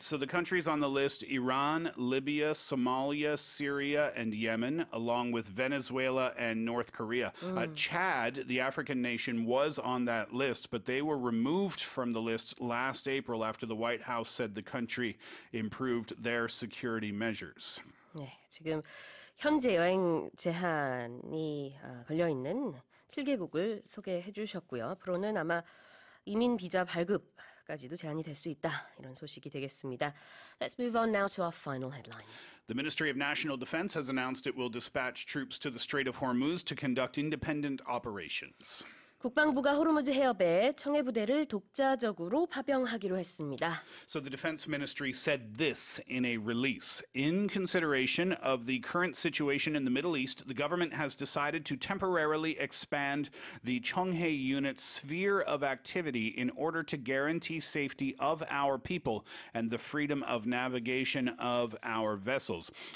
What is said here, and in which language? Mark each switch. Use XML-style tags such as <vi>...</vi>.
<en>So the countries on the list, Iran, Libya, Somalia, Syria, and Yemen, along with Venezuela and North Korea. Chad, the African nation, was on that list, but they were removed from the list last April after the White House said the country improved their security measures.</en> <ko>네, 지금 현재 여행 제한이 걸려 있는 7개국을 소개해 주셨고요. 앞으로는 아마 이민 비자 발급까지도 제한이 될 수 있다. 이런 소식이 되겠습니다.</ko> <en>Let's move on now to our final headline. The Ministry of National Defense has announced it will dispatch troops to the Strait of Hormuz to conduct independent operations.</en> <ko>국방부가 호르무즈 해협에 청해 부대를 독자적으로 파병하기로 했습니다.</ko> <en>So the Defense Ministry said this in a release. In consideration of the current situation in the Middle East, the government has decided to temporarily expand the Cheonghae unit's sphere of activity in order to guarantee safety of our people and the freedom of navigation of our vessels.</en>